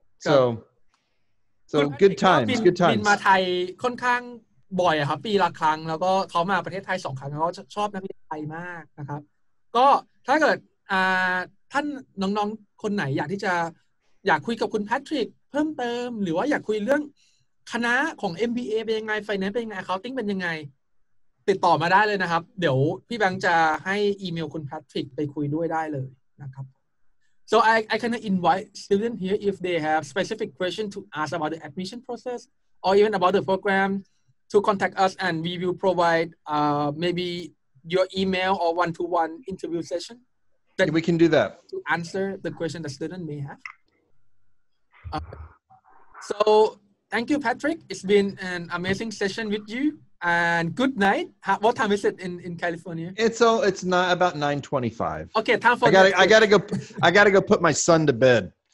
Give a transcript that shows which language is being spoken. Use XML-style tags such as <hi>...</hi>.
<en>So good times, good times.</en> <th>บินมาไทยค่อนข้างบ่อยอ่ะครับปีละครั้งแล้วก็เขามาประเทศไทย2ครั้งแล้วก็ชอบนักเรียนไทยมากนะครับก็ถ้าเกิด ท่านน้องๆคนไหนอยากที่จะอยากคุยกับคุณแพทริกเพิ่มเติมหรือว่าอยากคุยเรื่องคณะของ MBA เป็นยังไงไฟแนนซ์เป็นยังไงaccountingเป็นยังไงติดต่อมาได้เลยนะครับเดี๋ยวพี่แบงค์จะให้อีเมลคุณแพทริกไปคุยด้วยได้เลยนะครับ</th> <en>So I can invite students here if they have specific questions to ask about the admission process or even about the program to contact us and we will provide maybe your email or one-to-one interview session. That we can do that. To answer the question the student may have. So thank you, Patrick. It's been an amazing session with you. And good night. What time is it in California? It's not about 9:25. Okay, time for I gotta go put my son to bed.</en>